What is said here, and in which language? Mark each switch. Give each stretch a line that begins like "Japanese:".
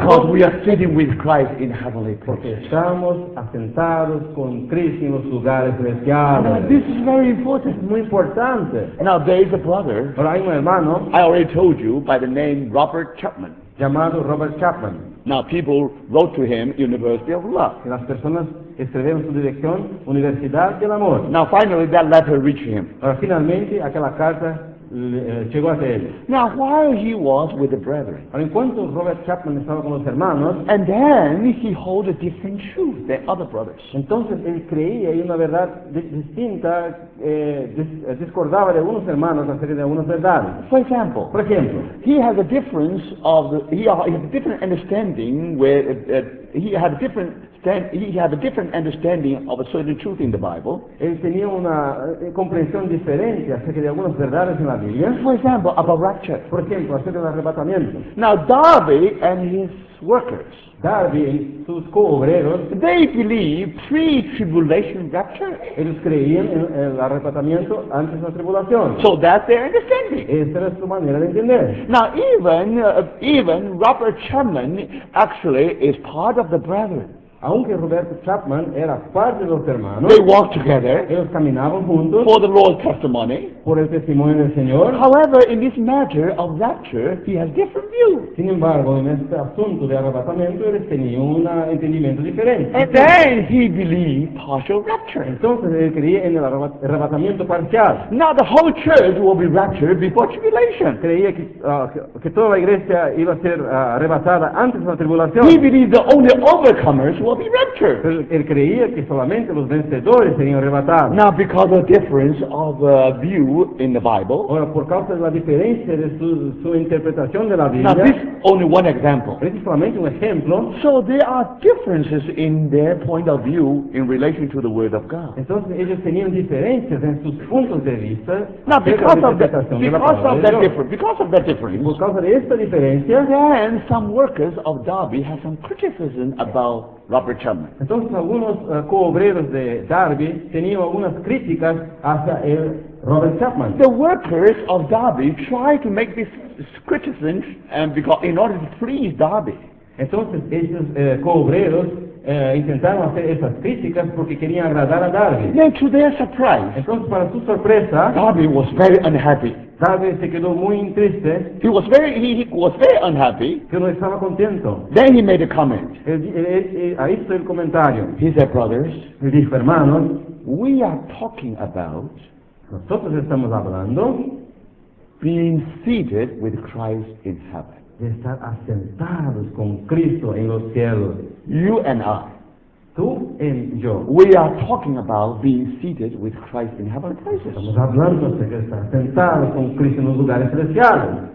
English: Because we are sitting with Christ in heavenly places.
Spanish: Porque estamos asentados con Cristo en los lugares celestiales.
English: This is very important.
Spanish: Muy importante.
English: Now there is a brother.
Spanish: Ahora hay un hermano.
English: I already told you by the name Robert Chapman.
Spanish: Llamado Robert Chapman.
English: Now people wrote to him, University of Love.
Spanish: Y las personas escribieron su dirección, Universidad del Amor.
English: Now finally that letter reached him.
Spanish: Ahora finalmente aquella carta.
English: Now, while he was with the brethren,
Spanish: en cuanto Robert Chapman estaba con los hermanos,
English: and then he held a different truth than other brothers.
Spanish: Entonces él creía y una verdad distinta discordaba de unos hermanos acerca de unas verdades.
English: For example, he has a difference of he had a different understanding of a certain truth in the Bible.
Spanish: Él tenía una comprensión diferente acerca de algunas verdades en la Biblia.
English: For example, about rapture.
Spanish: Por ejemplo, acerca del arrebatamiento.
English: Now, David and his workers.
Spanish: David y sus co-obreros.
English: They believe pre-tribulation rapture.
Spanish: Ellos creían en el arrebatamiento antes de la tribulación.
English: So that's their understanding.
Spanish: Esa era su manera de entender.
English: Now, even Robert Chapman actually is part of the brethren.
Spanish: Aunque Roberto Chapman era parte de los hermanos,
English: they walked together,
Spanish: ellos caminaban juntos,
English: for the Lord's testimony,
Spanish: por el testimonio del Señor.
English: However, in this matter of rapture, he has different views.
Spanish: Sin embargo, en este asunto de arrebatamiento, él tenía un entendimiento diferente.
English: And then he believed partial rapture.
Spanish: Entonces él creía en el arrebatamiento parcial.
English: Now the whole church will be raptured before tribulation.
Spanish: Creía que toda la iglesia iba a ser arrebatada antes de la tribulación.
English: He believed the only overcomer will be raptured.
Spanish: Pero él creía que solamente los vencedores serían arrebatados.
English: Now, because of the difference of view in the Bible.
Spanish: Ahora, por causa de la diferencia de su interpretación de la Biblia.
English: Now, this only one example.
Spanish: Es solamente un ejemplo.
English: So there are differences in their point of view in relation to the Word of God.
Spanish: Entonces ellos tenían diferencias en sus puntos de vista.
English: Now, because of that difference.
Spanish: Por causa de esta diferencia.
English: Then some workers of Darby have some criticism about Robert Chapman.
Spanish: Entonces algunos co-obreros de Darby tenían algunas críticas hacia el Robert Chapman.
English: The workers of Darby tried to make this criticism and because in order to please Darby.
Spanish: Entonces esos co-obreros intentaron hacer esas críticas porque querían agradar a Darby.
English: Then to their surprise,
Spanish: entonces para su sorpresa,
English: Darby was very unhappy.
Spanish: Darby se quedó muy triste.
English: He was very unhappy.
Spanish: Pero estaba contento.
English: Then he made a comment.
Spanish: Ahí está el comentario.
English: He said, brothers,
Spanish: él dijo, hermanos,
English: we are talking about,
Spanish: nosotros estamos hablando,
English: being seated with Christ in heaven.
Spanish: De estar asentados con Cristo en los cielos.
English: You and I.
Spanish: Tú y yo.
English: We are talking about being seated with Christ in heavenly places.
Spanish: Estamos hablando de estar asentados con Cristo en los lugares celestiales.